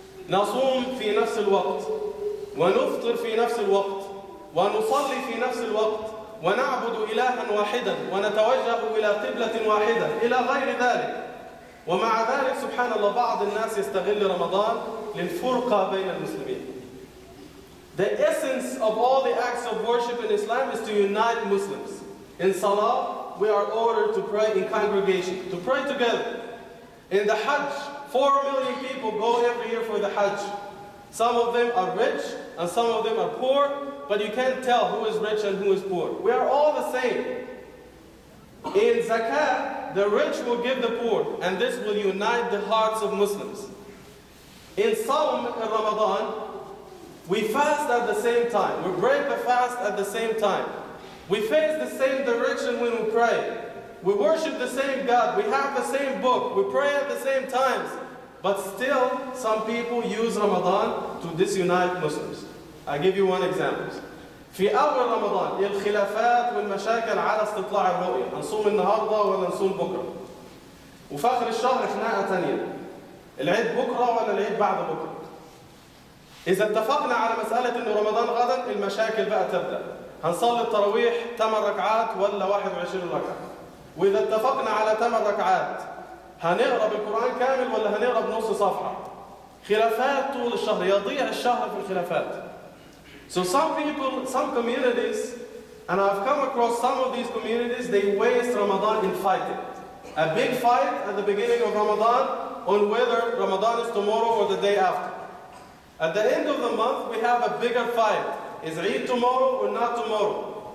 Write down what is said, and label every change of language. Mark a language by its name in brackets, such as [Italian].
[Arabic] نصوم في نفس الوقت، ونفطر في نفس الوقت، ونصلي في نفس الوقت، ونعبد إلها واحدا، ونتوجه إلى قبلة واحدة، إلى غير ذلك. ومع ذلك سبحان الله بعض الناس يستغل رمضان للفرقة بين المسلمين. [English] The essence of all the acts of worship in Islam is to unite Muslims. In Salah, we are ordered to pray in congregation, to pray together. In the Hajj, 4 million people go every year for the Hajj. Some of them are rich and some of them are poor, but you can't tell who is rich and who is poor. We are all the same. In Zakat, the rich will give the poor, and this will unite the hearts of Muslims. In Sawm in Ramadan, we fast at the same time. We break the fast at the same time. We face the same direction when we pray. We worship the same God. We have the same book. We pray at the same times. But still, some people use Ramadan to disunite Muslims. I give you one example. [Arabic] في أول رمضان الخلافات والمشاكل على استطلاع الرؤية نصوم النهاردة ولا نصوم بكرة وفخر الشهر خناقة تانية العيد بكرة ولا العيد بعد بكرة إذا اتفقنا على مسألة إن رمضان غدا المشاكل بقى تبدأ هنصلي التراويح 8 ركعات ولا 21 ركعة وإذا اتفقنا على 8 ركعات هنقرأ بالقرآن كامل ولا هنقرأ بنص صفحة خلافات طول الشهر يضيع الشهر في الخلافات. [English] So some people, some communities, and I've come across some of these communities, they waste Ramadan in fighting. A big fight at the beginning of Ramadan on whether Ramadan is tomorrow or the day after. At the end of the month, we have a bigger fight. Is Eid tomorrow or not tomorrow?